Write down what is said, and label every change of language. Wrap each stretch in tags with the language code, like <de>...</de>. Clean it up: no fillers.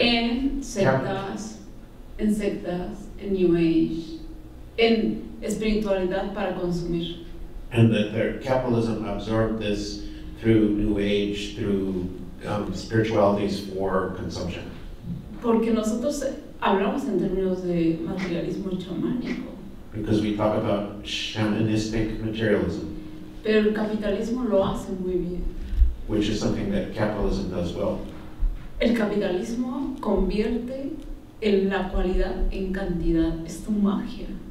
<es>en sectas, en New Age, en espiritualidad para consumir.</es> <en>And that their capitalism absorbed this through New Age, through spiritualities for consumption.</en> <es>Porque nosotros hablamos en términos de materialismo chamánico.</es> <en>Because we talk about shamanistic materialism.</en> <es>Pero el capitalismo lo hace muy bien.</es> <en>Which is something that capitalism does well.</en> <es>El capitalismo convierte en la cualidad en cantidad. Es tu magia.</es>